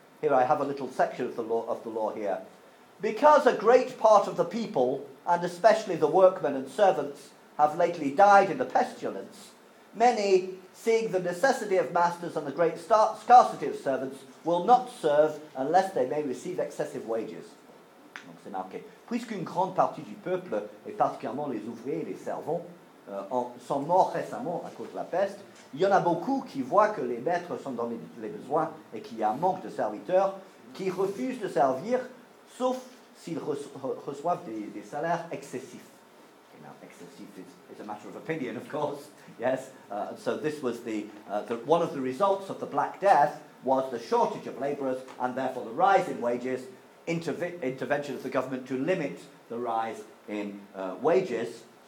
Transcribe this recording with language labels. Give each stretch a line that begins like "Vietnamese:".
English: Here I have a little section of the law here. Because a great part of the people, and especially the workmen and servants, have lately died in the pestilence, many, seeing the necessity of masters and the great scarcity of servants, will not serve unless they may receive excessive wages.
French: Donc c'est marqué. Puisqu'une grande partie du peuple, et particulièrement les ouvriers et les servants, sont morts récemment à cause de la peste, il y en a beaucoup qui voient que les maîtres sont dans les besoins et qu'il y a un manque de serviteurs, qui refusent de servir, sauf s'ils reçoivent des salaires excessifs.
English: Excessif is a matter of opinion, of course. Yes. So this was one of the results of the Black Death was the shortage of labourers and therefore the rise in wages. intervention of the government to limit the rise in wages.